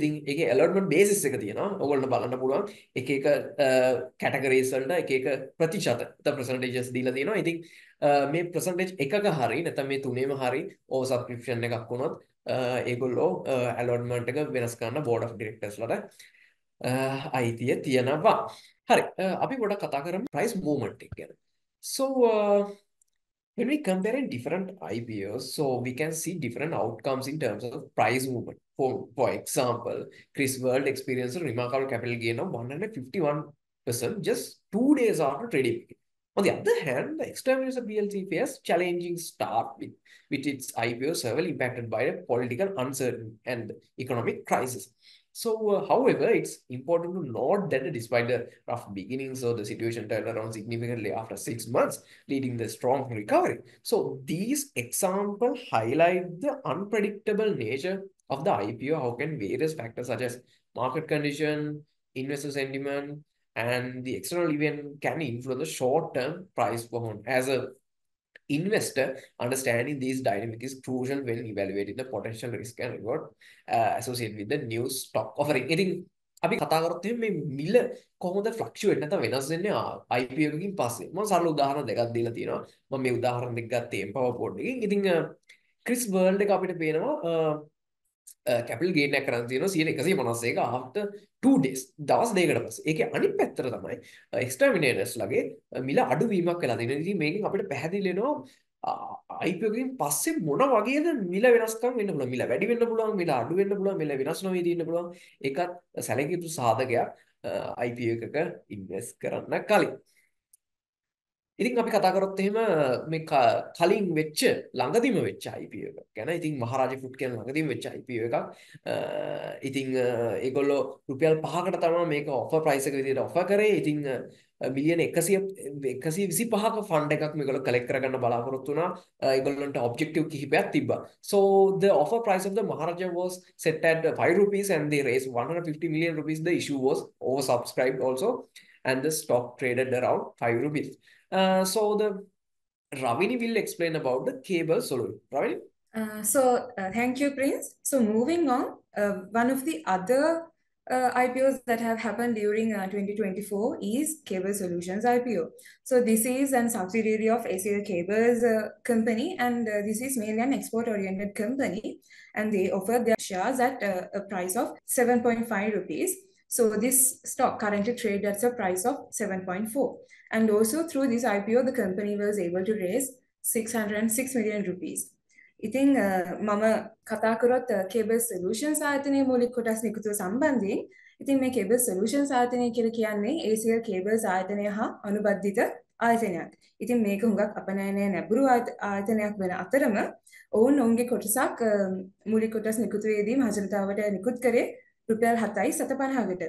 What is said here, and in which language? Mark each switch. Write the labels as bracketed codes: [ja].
[si] ඉතින් ඒකේ ඇලොට්මන්ට් බේසිස් එක තියෙනවා. ඕගොල්ලෝ බලන්න පුළුවන් එක එක කැටගරීස් වලට එක එක ප්‍රතිශත ද පර්සන්ටේජස් දීලා තියෙනවා. ඉතින් මේ පර්සන්ටේජ් එකක හරි නැත්නම් මේ තුනේම හරි ඔව සබ්ස්ක්‍රිප්ෂන් එකක් වුණොත් ඒගොල්ලෝ ඇලොට්මන්ට් එක වෙනස් කරන්න බෝඩ් ඔෆ් ඩිරෙක්ටර්ස් ලට අයිතිය තියෙනවා. හරි අපි පොඩ්ඩක් කතා කරමු ප්‍රයිස් මූවමන්ට් එක ගැන. [en] So when we compare in different IPOs, so we can see different outcomes in terms of price movement. For example, Chris World experienced a remarkable capital gain of 151% just 2 days after trading. On the other hand, the external news of BLC faces challenging start with its IPO several impacted by the political uncertainty and economic crisis. So, however, it's important to note that despite the rough beginnings, so the situation turned around significantly after 6 months, leading the strong recovery. So, these examples highlight the unpredictable nature of the IPO. How can various factors such as market condition, investor sentiment, and the external event can influence the short-term price performance? As a investor, understanding these dynamics is crucial when evaluating the potential risk and reward associated with the new stock offering. [si] ඉතින් අපි කතා කරත් මේ මිල කොහොමද ෆ්ලක්චුවේට් නැත්නම් වෙනස් වෙන්නේ IPO එකකින් පස්සේ. මම සරල උදාහරණ දෙකක් දීලා තියෙනවා. මම මේ උදාහරණ දෙක ගත්තේ PowerPoint එකකින්. ඉතින් Chris World එක අපිට පේනවා capital gain එකක් කරන් තියෙනවා 151 [en] after 2 days [si] දවස් දෙකකට පස්සේ. ඒකේ අනිත් පැත්තර තමයි exterminators ලගේ මිල අඩු වීමක් වෙලා තියෙනවා. ඉතින් මේකෙන් අපිට පැහැදිලි වෙනවා IPO එකකින් පස්සේ මොන වගේද මිල වෙනස්කම් වෙන්න පුළුවන්. මිල වැඩි වෙන්න පුළුවන්, මිල අඩු වෙන්න පුළුවන්, මිල වෙනස් නොවී තියෙන්න පුළුවන්. ඒකත් සැලකිය යුතු සාධකයක් IPO එකක invest කරන්න කලින්. ඉතින් අපි කතා කරොත් එහෙම මේ කලින් වෙච්ච ළඟදිම වෙච්ච IPO එක ගැන. ඉතින් මහරාජා ෆුඩ් කියන ළඟදිම වෙච්ච IPO එකක්. ඉතින් ඒගොල්ලෝ රුපියල් 5කට තමයි මේක ඔෆර් ප්‍රයිස් එක විදිහට ඔෆර් කරේ. ඉතින් මිලියන 125ක ෆන්ඩ් එකක් මේගොල්ලෝ කලෙක්ට් කරගන්න බලාපොරොත්තු වුණා. ඒගොල්ලන්ට ඔබ්ජෙක්ටිව් කිහිපයක් තිබ්බා. [en] So the offer price of the Maharaja was set at 5 rupees and they raised 150 million rupees. The issue was oversubscribed also and the stock traded around 5 rupees. So the Ravini will explain about the cable solution. Ravini? Thank you, Prince. So moving on, one of the other IPOs that have happened during 2024 is Cable Solutions IPO. So this is a subsidiary of ACL Cables company, and this is mainly an export-oriented company, and they offer their shares at a price of 7.5 rupees. So this stock currently trades at a price of 7.4. And also through this IPO, the company was able to raise 606 million rupees. [si] ඉතින් මම කතා කරොත් cable solutions ආයතනයේ මූලික කොටස් නිකුත්ව සම්බන්ධයෙන්. ඉතින් මේ කේබල් සොලූෂන්ස් ආයතනය කියලා කියන්නේ ACL කේබල්ස් ආයතනය හා අනුබද්ධිත ආයතනයක්. ඉතින් මේක හුඟක් අපනයනය නැඹුරු ආයතනයක් වෙන අතරම ඔවුන් ඔවුන්ගේ කොටසක් මූලික කොටස් නිකුත්වේදී මහජනතාවට නිකුත් කරේ රුපියල් 7.50කට.